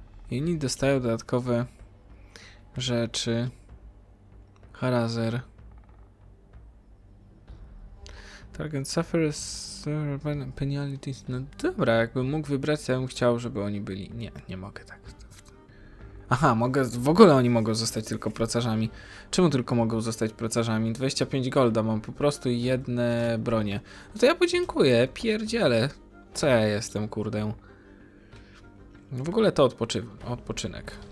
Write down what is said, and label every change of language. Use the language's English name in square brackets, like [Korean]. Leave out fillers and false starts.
[Polish] Inni dostają dodatkowe rzeczy. Harazer. [English] Target suffers penalties. [Polish] No dobra, jakbym mógł wybrać, ja bym chciał, żeby oni byli. Nie, nie mogę tak. Aha, mogę. W ogóle oni mogą zostać tylko procarzami. Czemu tylko mogą zostać procarzami? 25 golda, mam po prostu jedne bronie. No to ja podziękuję, pierdziele. Co ja jestem, kurde. W ogóle to odpoczynek.